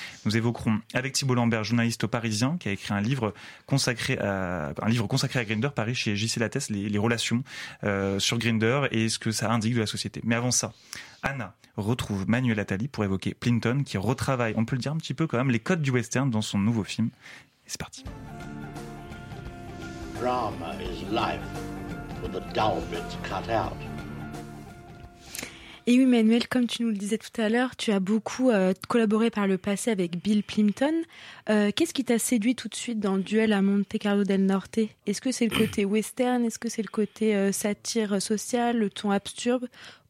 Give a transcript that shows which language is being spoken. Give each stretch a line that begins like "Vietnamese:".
French: Nous évoquerons avec Thibault Lambert, journaliste au Parisien, qui a écrit un livre consacré à Grindr, Paris chez J.C. Lattès, les relations sur Grindr et ce que ça indique de la société. Mais avant ça, Anna retrouve Manuel Attali pour évoquer Plinton, qui retravaille, on peut le dire un petit peu quand même, les codes du western dans son nouveau film. Et c'est parti.
English: Drama is life with the dull bits cut out.
French: Et oui, Manuel, comme tu nous le disais tout à l'heure, tu as beaucoup collaboré par le passé avec Bill Plimpton. Qu'est-ce qui t'a séduit tout de suite dans le duel à Monte Carlo del Norte ? Est-ce que c'est le côté western ? Est-ce que c'est le côté satire sociale, le ton absurde ?